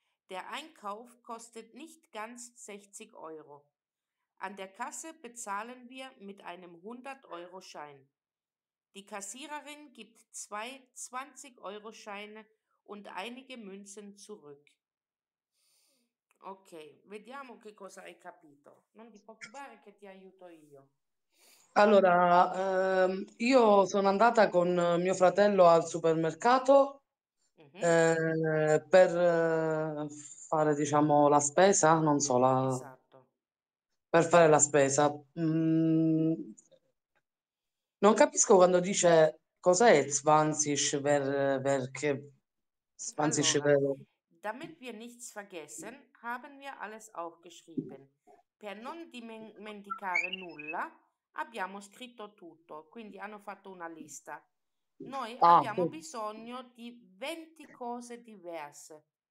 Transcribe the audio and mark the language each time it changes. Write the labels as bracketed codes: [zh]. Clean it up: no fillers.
[de] Der Einkauf kostet nicht ganz 60 Euro. An der Kasse bezahlen wir mit einem 100-Euro-Schein. Die Kassiererin gibt 2 20-Euro-Scheine und einige Münzen zurück. [it] Okay, vediamo che cosa hai capito. Non ti preoccupare che ti aiuto io. Allora, io sono andata con mio fratello al supermercato per fare, diciamo, la spesa, non so, la... Esatto. Per fare la spesa. Non capisco quando dice cos'è il Zwanzig, perché... [de] Zwanzig, [it] allora, [de] damit wir nichts vergessen, haben wir alles aufgeschrieben. [it] Per non dimenticare nulla, abbiamo scritto tutto, quindi hanno fatto una lista. Noi abbiamo bisogno di 20 cose diverse.